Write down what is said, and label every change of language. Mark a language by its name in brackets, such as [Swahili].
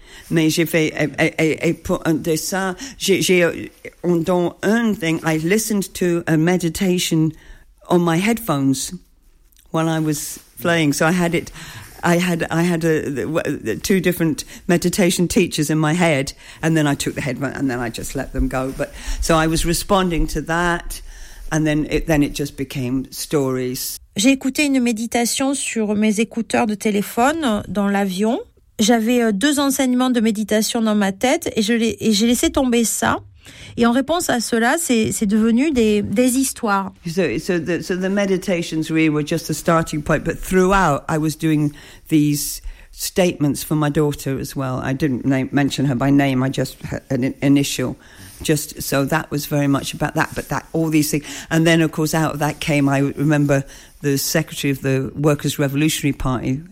[French] Mais j'ai fait et pour un dessin, dans un [English] thing, I listened to a meditation on my headphones while I was playing. So I had two different meditation teachers in my head, and then I took the headphone and then I just let them go. But so I was responding to that, and then it just became stories. [French] J'ai écouté une méditation sur mes écouteurs de téléphone dans l'avion. J'avais deux enseignements de méditation dans ma tête et j'ai laissé tomber ça. Et en réponse à cela, c'est devenu des histoires. [English] So the meditations really were just a starting point, but throughout I was doing these statements for my daughter as well. I didn't mention her by name, I just had an initial. Just so that was very much about that, but that all these things. And then, of course, out of that came, I remember the secretary of the Workers' Revolutionary Party.